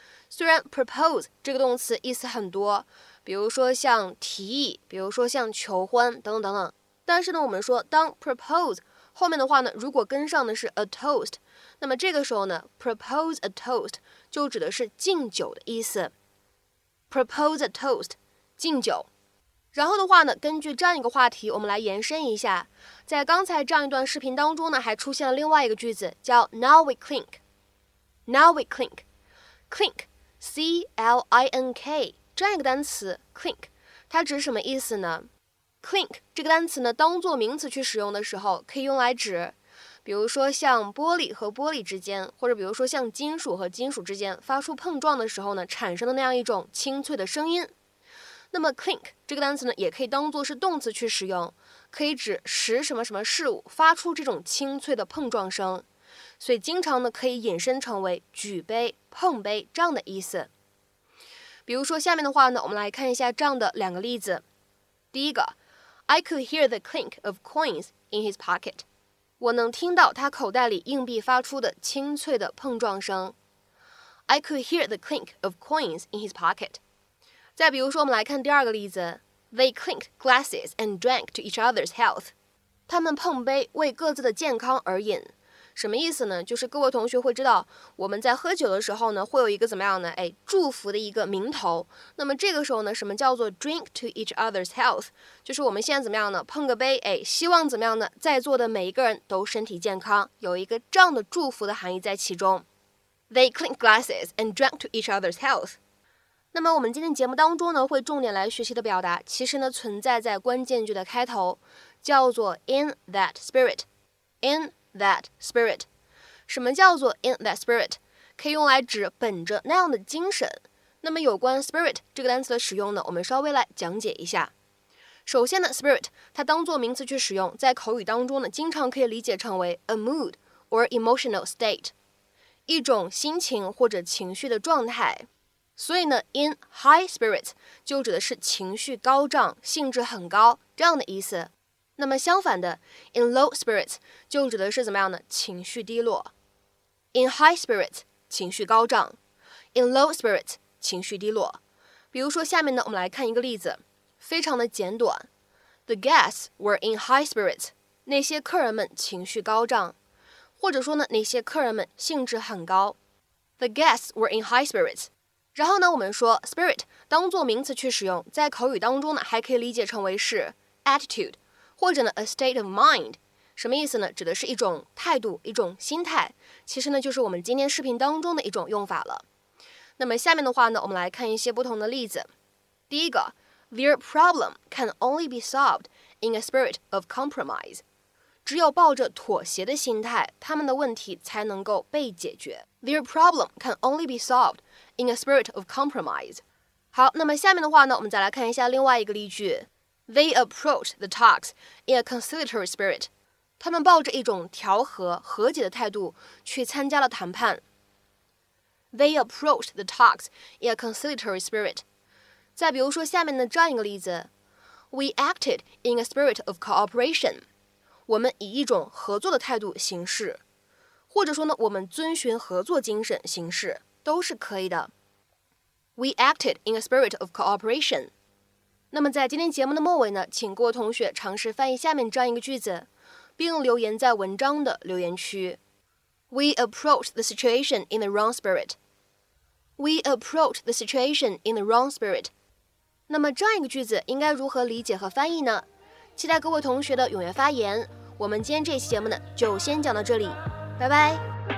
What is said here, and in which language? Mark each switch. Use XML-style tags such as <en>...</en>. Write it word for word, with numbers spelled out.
<zh>虽然 propose 这个动词意思很多，比如说像提议，比如说像求欢等等等等，但是呢我们说当 propose 后面的话呢，如果跟上的是 a toast， 那么这个时候呢</zh> <en>propose a toast</en> <zh>就指的是敬酒的意思。</zh> <en>propose a toast</en> <zh>敬酒。然后的话呢，根据这样一个话题我们来延伸一下，在刚才这样一段视频当中呢，还出现了另外一个句子叫</zh> <en>now we clink。 now we clink clink</en> <zh>C L I N K 这样一个单词 clink 它指什么意思呢？ clink 这个单词呢当做名词去使用的时候，可以用来指比如说像玻璃和玻璃之间，或者比如说像金属和金属之间发出碰撞的时候呢产生的那样一种清脆的声音。那么 clink 这个单词呢也可以当做是动词去使用，可以指使什么什么事物发出这种清脆的碰撞声，所以经常呢可以引申成为举杯碰杯这样的意思。比如说下面的话呢，我们来看一下这样的两个例子。第一个</zh> <en>I could hear the clink of coins in his pocket。</en> <zh>我能听到他口袋里硬币发出的清脆的碰撞声。</zh> <en>I could hear the clink of coins in his pocket。</en> <zh>再比如说我们来看第二个例子。</zh> <en>They clinked glasses and drank to each other's health。</en> <zh>他们碰杯为各自的健康而饮。什么意思呢？就是各位同学会知道，我们在喝酒的时候呢，会有一个怎么样呢？哎，祝福的一个名头。那么这个时候呢，什么叫做</zh> <en>drink to each other's health？</en> <zh>就是我们现在怎么样呢？碰个杯，哎，希望怎么样呢？在座的每一个人都身体健康，有一个这样的祝福的含义在其中。</zh> <en>They clinked glasses and drank to each other's health。</en> <zh>那么我们今天节目当中呢，会重点来学习的表达，其实呢存在在关键句的开头，叫做 in that spirit。</zh> <en>in that spirit</en> <zh>什么叫做</zh> <en>in that spirit？</en> <zh>可以用来指本着那样的精神。那么有关 spirit 这个单词的使用呢，我们稍微来讲解一下。首先呢 spirit 它当做名词去使用，在口语当中呢经常可以理解成为</zh> <en>a mood or emotional state，</en> <zh>一种心情或者情绪的状态。所以呢</zh> <en>in high spirits</en> <zh>就指的是情绪高涨，兴致很高这样的意思。那么相反的</zh> <en>in low spirits</en> <zh>就指的是怎么样呢？情绪低落。</zh> <en>in high spirits</en> <zh>情绪高涨，</zh> <en>in low spirits</en> <zh>情绪低落。比如说下面呢我们来看一个例子，非常的简短。</zh> <en>The guests were in high spirits。</en> <zh>那些客人们情绪高涨，或者说呢那些客人们兴致很高。</zh> <en>The guests were in high spirits。</en> <zh>然后呢我们说 spirit 当做名词去使用，在口语当中呢还可以理解成为是 attitude或者呢</zh> <en>a state of mind。</en> <zh>什么意思呢？指的是一种态度，一种心态，其实呢就是我们今天视频当中的一种用法了。那么下面的话呢我们来看一些不同的例子。第一个</zh> <en>Their problem can only be solved in a spirit of compromise.</en> <zh>只有抱着妥协的心态，他们的问题才能够被解决。</zh> <en>Their problem can only be solved in a spirit of compromise.</en> <zh>好，那么下面的话呢，我们再来看一下另外一个例句。</zh> <en>They approach the talks in a conciliatory spirit.</en> <zh>他们抱着一种调和、和解的态度去参加了谈判。</zh> <en>They approached the talks in a conciliatory spirit.</en> <zh>再比如说下面的这样一个例子。</zh> <en>We acted in a spirit of cooperation.</en> <zh>我们以一种合作的态度行事，或者说呢，我们遵循合作精神行事，都是可以的。</zh> <en>We acted in a spirit of cooperation.</en> <zh>那么在今天节目的末尾呢，请各位同学尝试翻译下面这样一个句子，并留言在文章的留言区。</zh> <en>We approached the situation in the wrong spirit. We approached the situation in the wrong spirit.</en> <zh>那么这样一个句子应该如何理解和翻译呢？期待各位同学的踊跃发言。我们今天这期节目呢，就先讲到这里，拜拜。</zh>